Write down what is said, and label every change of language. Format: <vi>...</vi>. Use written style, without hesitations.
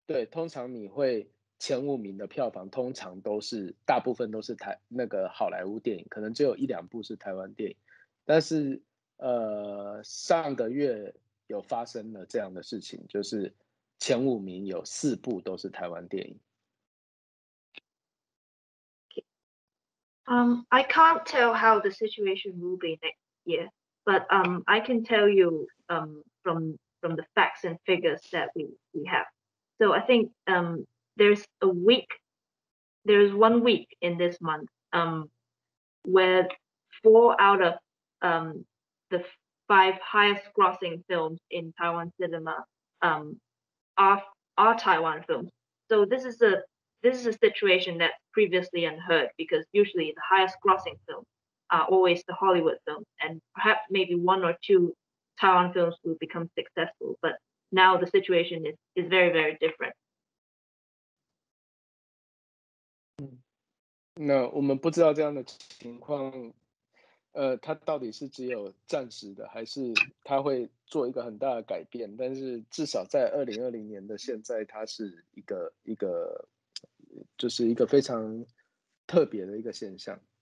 <zh>通常你会前五名的票房通常都是大部分都是那个好莱坞电影，可能只有一两部是台湾电影，但是上个月有发生了这样的事情，就是前五名有四部都是台湾电影。</zh> <en>I can't tell how the situation will be next year, but I can tell you from the facts and figures that we have. So I think there's 1 week in this month where four out of the five highest grossing films in Taiwan cinema are Taiwan films. So this is a situation that's previously unheard, because usually the highest grossing films are always the Hollywood films, and perhaps maybe one or two Taiwan films will become successful, but now the situation is very, very different.</en> <zh>那我们不知道这样的情况它到底是只有暂时的，还是它会做一个很大的改变，但是至少在2020年的现在，它是一个就是一个非常特别的一个现象。</zh>